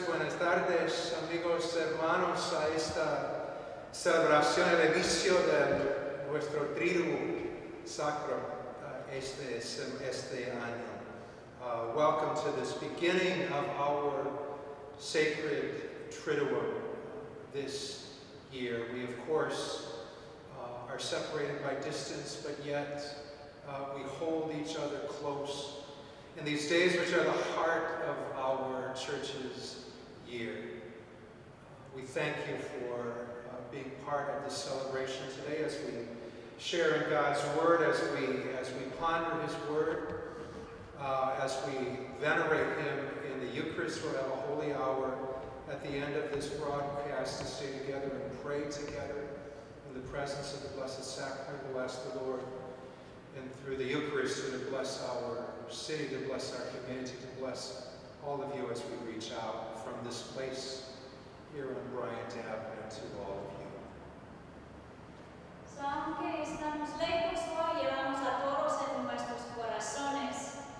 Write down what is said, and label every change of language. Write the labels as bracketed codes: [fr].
[es] Buenas tardes, amigos, hermanos, a esta celebración, el inicio de nuestro Triduum Sacro este año. [en] Welcome to this beginning of our sacred Triduum this year. We, of course, are separated by distance, but yet we hold each other close in these days which are the heart of our church's year. We thank you for being part of this celebration today as we share in God's word, as we ponder his word, as we venerate him in the Eucharist. We'll have a holy hour at the end of this broadcast to stay together and pray together in the presence of the Blessed Sacrament. We'll ask the Lord and through the Eucharist to bless our city, to bless our community, to bless all of you as we reach out from this place here on Bryant Avenue to all of you. [es] Aunque estamos lejos hoy, llevamos a todos en nuestros corazones.